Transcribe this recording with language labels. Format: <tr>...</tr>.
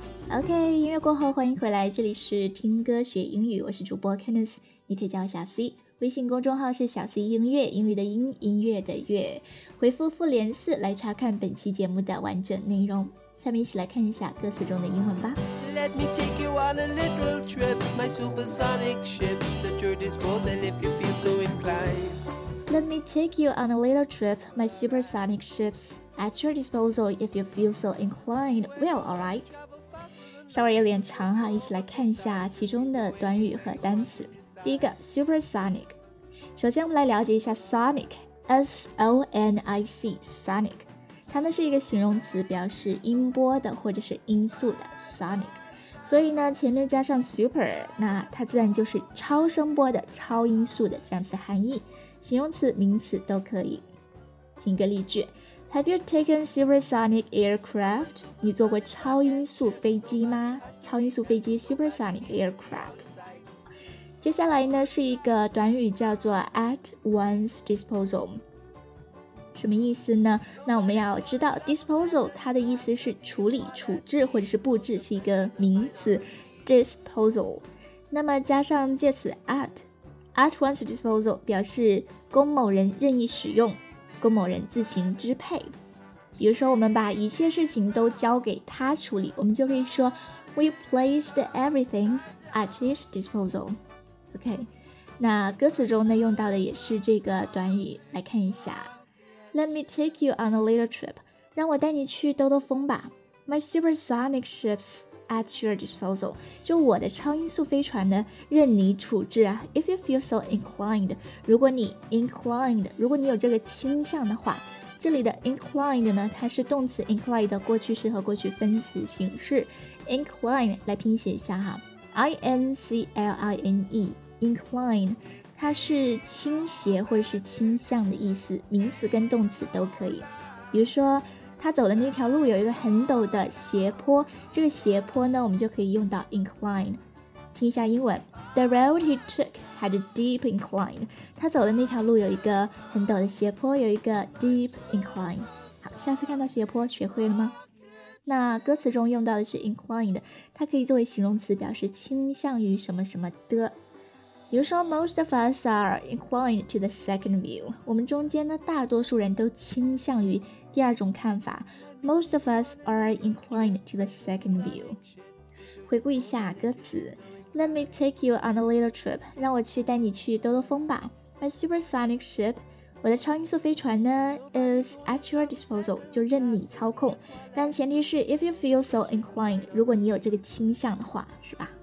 <zh>OK， 音乐过后欢迎回来，这里是听歌学英语，我是主播 Kenneth， 你可以叫我小 C， 微信公众号是小 C 音乐，英语的音，音乐的乐，回复复联四来查看本期节目的完整内容。下面一起来看一下歌词中的英文吧。</zh> <en>Let me take you on a little trip, my supersonic ship's at your disposal if you feel so inclined Let me take you on a little trip, my supersonic ships at your disposal if you feel so inclined. Well, alright.</en> <zh>稍微有点长哈，一起来看一下其中的短语和单词。第一个 supersonic， 首先我们来了解一下 sonic， S-O-N-I-C， sonic， 它呢是一个形容词，表示音波的或者是音速的 sonic。所以呢，前面加上 super， 那它自然就是超声波的、超音速的这样子含义。形容词、名词都可以。听个例句</zh> <en>：Have you taken supersonic aircraft？</en> <zh>你坐过超音速飞机吗？超音速飞机</zh> <en>supersonic aircraft。</en> <zh>接下来呢是一个短语，叫做 at one's disposal。什么意思呢？那我们要知道 disposal 它的意思是处理、处置或者是布置，是一个名词 disposal。那么加上介词 at。 at one's disposal 表示供某人任意使用，供某人自行支配。比如说我们把一切事情都交给他处理，我们就可以说</zh> <en>We placed everything at his disposal。</en> <zh>OK， 那歌词中呢用到的也是这个短语，来看一下。</zh> <en>Let me take you on a little trip，</en> <zh>让我带你去兜兜风吧。</zh> <en>My supersonic ships at your disposal，</en> <zh>就我的超音速飞船呢任你处置啊。</zh> <en>If you feel so inclined，</en> <zh>如果你 inclined， 如果你有这个倾向的话，这里的 inclined 呢，它是动词 inclined 的过去式和过去分词形式。 incline 来拼写一下哈， I-N-C-L-I-N-E incline， 它是倾斜或者是倾向的意思，名词跟动词都可以。比如说他走的那条路有一个很陡的斜坡，这个斜坡呢我们就可以用到 incline。听一下英文，</zh> <en>The road he took had a deep incline，</en> <zh>他走的那条路有一个很陡的斜坡，有一个</zh> <en>deep incline。</en> <zh>好，下次看到斜坡学会了吗？那歌词中用到的是 inclined， 它可以作为形容词表示倾向于什么什么的。比如说</zh> <en>most of us are inclined to the second view，</en> <zh>我们中间呢大多数人都倾向于第二种看法。</zh> <en>Most of us are inclined to the second view。</en> <zh>回顾一下歌词，</zh> <en>Let me take you on a little trip，</en> <zh>让我去带你去兜兜风吧。</zh> <en>My supersonic ship，</en> <zh>我的超音速飞船呢</zh> <en>is at your disposal，</en> <zh>就任你操控，但前提是</zh> <en>if you feel so inclined，</en> <zh>如果你有这个倾向的话，是吧？</zh>